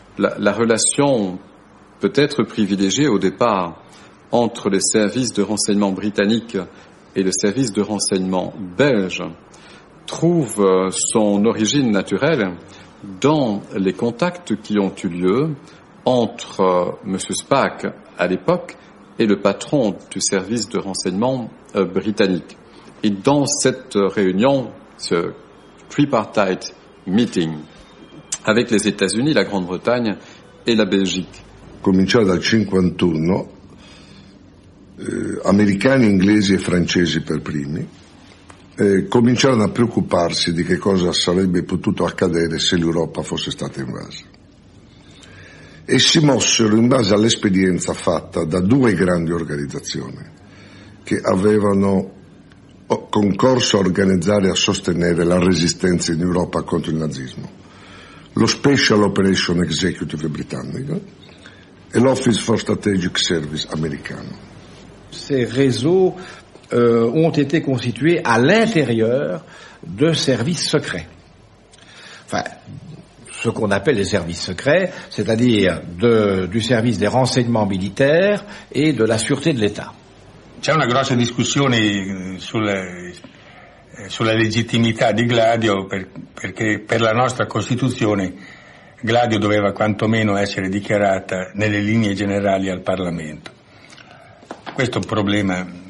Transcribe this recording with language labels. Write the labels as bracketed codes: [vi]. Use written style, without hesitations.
[fr] La relation peut être privilégiée au départ entre le service de renseignement britannique et le service de renseignement belge trouve son origine naturelle dans les contacts qui ont eu lieu entre M. Spaak à l'époque et le patron du service de renseignement britannique. Et dans cette réunion, ce tripartite meeting avec les États-Unis, la Grande-Bretagne et la Belgique. [it] Cominciò dal 51, americani, inglesi e francesi per primi, cominciarono a preoccuparsi di che cosa sarebbe potuto accadere se l'Europa fosse stata invasa. E si mossero in base all'esperienza fatta da due grandi organizzazioni che avevano concorso a organizzare e a sostenere la resistenza in Europa contro il nazismo: lo Special Operation Executive britannico e l'Office for Strategic Service americano. [fr] Ces réseaux ont été constitués à l'intérieur de services secrets. Enfin, ce qu'on appelle les services secrets, c'est-à-dire du service des renseignements militaires et de la sûreté de l'État. [it] C'è una grossa discussione sulla legittimità di Gladio, perché per la nostra Costituzione Gladio doveva quantomeno essere dichiarata nelle linee generali al Parlamento. Questo è un problema.